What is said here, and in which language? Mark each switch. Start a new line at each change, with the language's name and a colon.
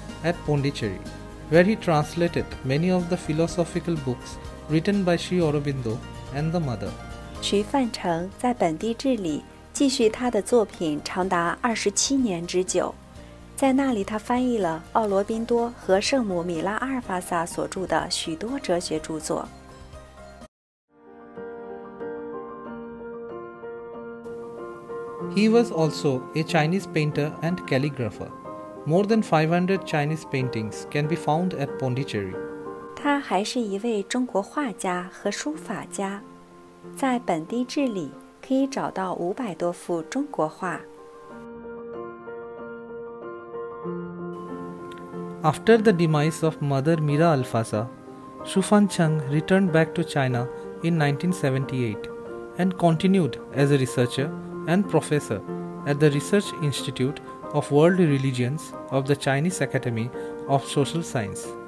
English: at Pondicherry, where he translated many of the philosophical books written by Sri Aurobindo and the mother.
Chinese: XuFancheng 在本地治理继续他的作品长达27年之久，在那里他翻译了奥罗宾多和圣母米拉阿尔法萨所著的许多哲学著作。
English: He was also a Chinese painter and calligrapher. More than 500 Chinese paintings can be found at Pondicherry.
Chinese: 他还是一位中国画家和书法家，在本地治理可以找到500多幅中国画。
English: After the demise of Mother Mira Alfasa, XuFancheng returned back to China in 1978 and continued as a researcher and professor at the Research Institute of World Religions of the Chinese Academy of Social Science.